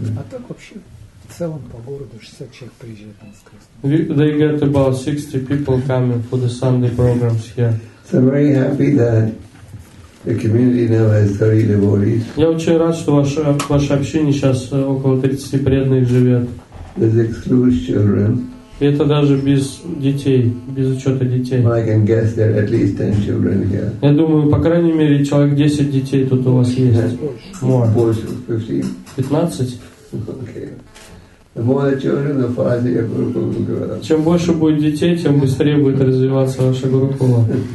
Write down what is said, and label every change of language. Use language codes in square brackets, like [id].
[ru] А так вообще в целом по городу 60 человек приезжает на воскресенье. [en] They get about 60 people coming for the Sunday programs here. So I'm very happy that the community now has 30 devotees. [ru] Я очень рад, что ваша община сейчас около 30 преданных живет. [en] This excludes children. [ru] Это даже без детей, без учета детей. [en] Well, I can guess there are at least 10 children here. [ru] Я думаю, по крайней мере, человек 10 детей тут у вас есть. [en] More. 15? Okay. More children, the faster your group will grow. [ru] Чем больше будет детей, тем быстрее будет развиваться ваша группа.